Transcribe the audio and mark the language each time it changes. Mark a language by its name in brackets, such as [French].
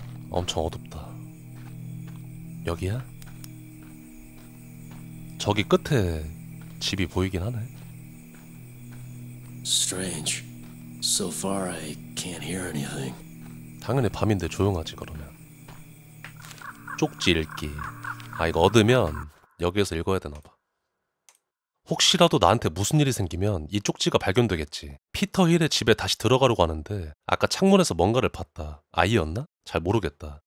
[Korean] 엄청 어둡다. 여기야? 저기 끝에 집이 보이긴 하네. [English] Strange. So far I can't hear anything. [Korean] 당연히 밤인데 조용하지 그러면. 쪽지 읽기. 아 이거 얻으면 여기에서 읽어야 되나 봐. 혹시라도 나한테 무슨 일이 생기면 이 쪽지가 발견되겠지. 피터 힐의 집에 다시 들어가려고 하는데 아까 창문에서 뭔가를 봤다. 아이였나? 잘 모르겠다.